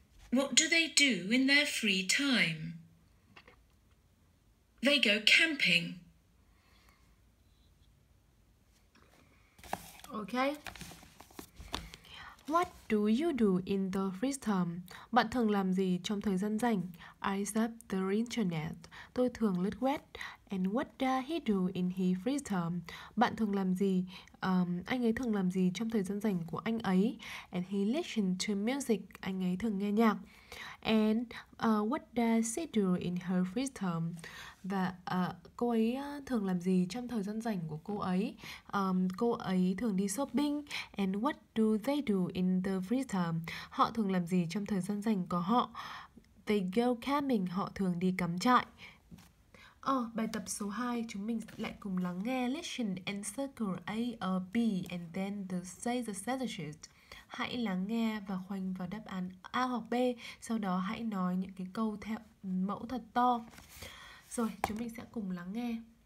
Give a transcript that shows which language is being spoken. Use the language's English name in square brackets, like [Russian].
[English] What do they do in their free time? They go camping. Okay. What do you do in the free time? [Vietnamese] Bạn thường làm gì trong thời gian rảnh? [English] I surf the internet. [Vietnamese] Tôi thường lướt web. [English] And what does he do in his free time? [Vietnamese] Bạn thường làm gì? Anh ấy thường làm gì trong thời gian rảnh của anh ấy? [English] And he listens to music. [Vietnamese] Anh ấy thường nghe nhạc. [English] And what does she do in her free time? [Vietnamese] Và cô ấy thường làm gì trong thời gian rảnh của cô ấy? Cô ấy thường đi shopping. [English] And what do they do in the free time? [Vietnamese] Họ thường làm gì trong thời gian rảnh của họ? [English] They go camping. [Vietnamese] Họ thường đi cắm trại. Bài tập số 2, chúng mình lại cùng lắng nghe. [English] Listen and circle A or B and then say the sentences. [Vietnamese] Hãy lắng nghe và khoanh vào đáp án A hoặc B. Sau đó hãy nói những cái câu theo mẫu thật to. Rồi, chúng mình sẽ cùng lắng nghe.